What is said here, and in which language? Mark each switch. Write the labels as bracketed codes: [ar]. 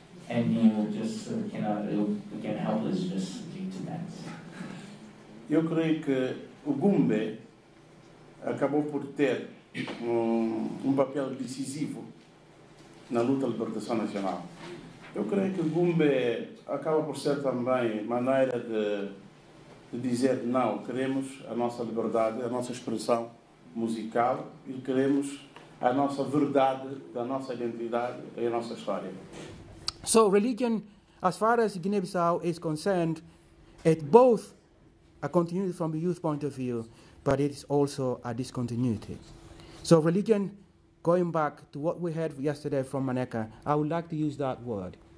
[en] And he will just cannot, it will again helpless just lead to that. [pt] Eu creio que o Gumbe acabou por ter um papel decisivo na luta de libertação nacional. Eu creio que o Gumbe acaba por ser também maneira de dizer não, queremos a nossa liberdade, a nossa expressão musical e queremos a nossa verdade, da nossa identidade e a nossa história. [en] So religion, as far as Guinea-Bissau is concerned, it both a continuity from the youth point of view, but it is also a discontinuity. So religion, going back to what we heard yesterday from Maneka, I would like to use that word.